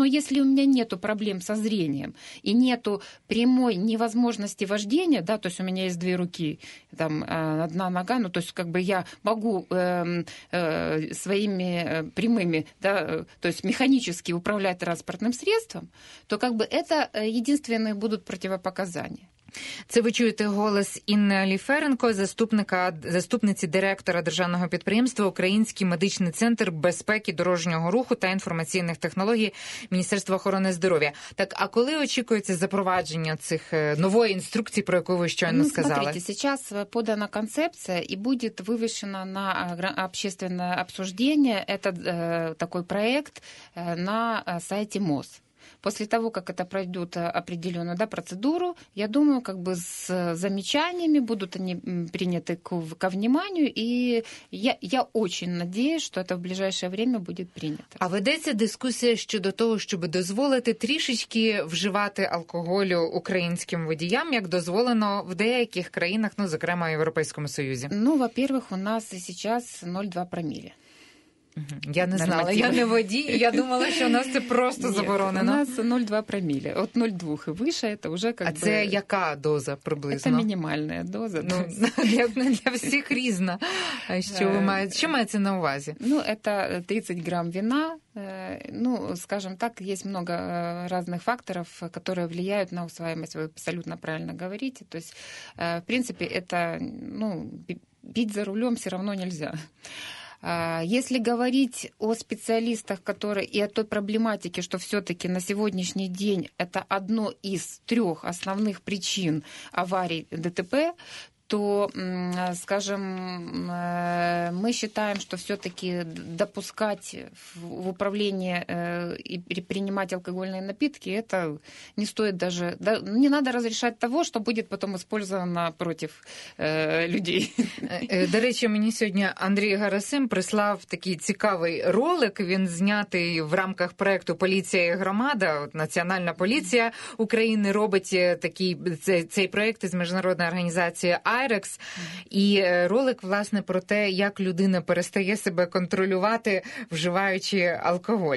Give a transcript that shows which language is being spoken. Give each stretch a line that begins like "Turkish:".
Russian: Но если у меня нету проблем со зрением и нету прямой невозможности вождения, да, то есть у меня есть 2 руки, там, одна нога, ну, то есть как бы я могу своими прямыми, да, то есть механически управлять транспортным средством, то как бы это единственные будут противопоказания.
Ukrainian: Це ви чуєте голос Інни Аліференко, заступниці директора державного підприємства «Український медичний центр безпеки дорожнього руху та інформаційних технологій Міністерства охорони здоров'я». Так, а коли очікується запровадження цих нової інструкції, про яку ви щойно сказали?
Russian: Смотрите, сейчас подана
Ukrainian: концепція і буде вивішена
Russian: на общественне обсуждение этот такой проект
Ukrainian: на сайті МОЗ.
Russian: После того, как это пройдет определенную, да, процедуру, я думаю, как бы с замечаниями будут они приняты ко вниманию, и я очень надеюсь, что это в ближайшее время будет принято.
Ukrainian: А ведеться дискуссия щодо того, щоб дозволити трішечки вживати алкоголю українським водіям, як дозволено в деяких країнах, ну, зокрема, в Європейському Союзі?
Russian: Ну, во-первых, у нас сейчас 0,2 промилле.
Ukrainian: Я не знала, я не водій, я думала, що у нас це просто заборонено. У нас 0,2 проміля. От 0,2 і вище, це вже А це яка доза приблизно? Це мінімальна доза. Ну, для всіх різна. Що ви маєте? Що мається на увазі? Ну, це 30 грам вина.
Russian: Ну, скажем так, есть много разных факторов, которые влияют на усваиваемость, вы абсолютно правильно говорите. То есть, в принципе, это, ну, пить за рулем все равно нельзя. Если говорить о специалистах, которые и о той проблематике, что все-таки на сегодняшний день это одно из трех основных причин аварий ДТП, то, скажем, мы считаем, что все-таки допускать в управление и принимать алкогольные напитки, это не стоит даже, не надо разрешать того, что будет потом использовано против людей.
Ukrainian: До речі, мені сьогодні Андрій Гарасим прислав такий цікавий ролик, він знятий в рамках проекту «Поліція і громада», Національна поліція України робить такий цей проект із міжнародної організації АЙР, і ролик, власне, про те, як людина перестає себе контролювати, вживаючи алкоголь.